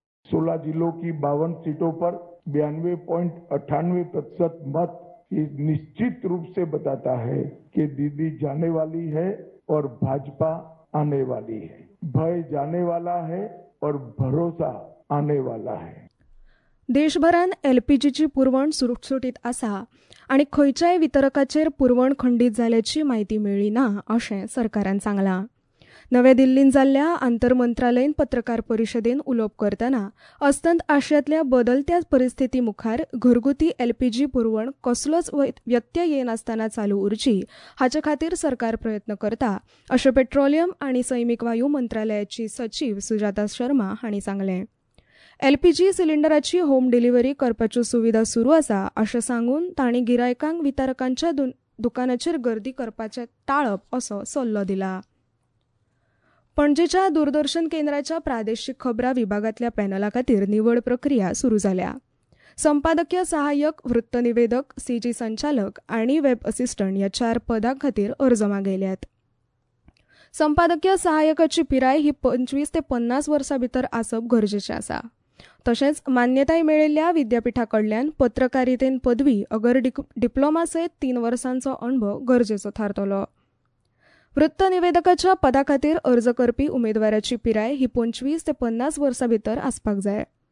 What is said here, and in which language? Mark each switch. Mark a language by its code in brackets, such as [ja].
[hi] 16 जिल्हो की 52 सीटों पर 92.98% मत निश्चित रूप से बताता है कि दीदी जाने वाली है और भाजपा आने वाली है. भय जाने वाला है और भरोसा आने वाला है. [gom] देशभरान एलपीजीची पुरवण सुरळीत आसा आनी खंयच्याय वितरकाचेर पुरवण खंडीत झाल्याची माहिती मेळ्ळी ना अशें सरकारान सांगला. नव्या दिल्लीन जाल्ल्या आंतर मंत्रालयीन पत्रकार परिशदेन उलोवप करतना अस्तंत आशियातल्या बदलत्या परिस्थिती मुखार घरगुती एलपीजी पुरवण कसलोच व्यत्यय येनासतना चालू उरची हाचे खातीर सरकार प्रयत्न करता अशें पेट्रोलियम आनी सैमीक वायू मंत्रालयाची सचीव सुजाता शर्मा हांणी सांगलें. एलपीजी सिलिंडराची होम डिलिव्हरी करपाच्यो सुविधा सुरू आसा अशें सांगून तांणी गिरायकांक वितरकांच्या दुकानाचेर गर्दी करपाचें टाळप असो सल्लो दिला. पणजेच्या दूरदर्शन केंद्राच्या प्रादेशिक खबरां विभागातल्या पॅनला खातीर निवड प्रक्रिया सुरू झाल्या. संपादकीय सहाय्यक, वृत्त निवेदक, सीजी संचालक आणि वेब असिस्टंट या 4 पदां खातीर अर्ज मागयल्यात. संपादकीय सहाय्यकाची पिराय ही 25-50 वर्सां भितर आसप गरजेचें आसा. तशेंच मान्यताय मेळिल्ल्या विद्यापीठा कडल्यान पत्रकारितेन पदवी अगर डिप्लोमा सयत 3 वर्सांचो अणभव गरजेचो थारतलो. वृत्त निवेदकाच्या पदा खातीर अर्ज करपी उमेदवाराची पिराय ही 25-50 वर्सां भितर आसपाक जाय.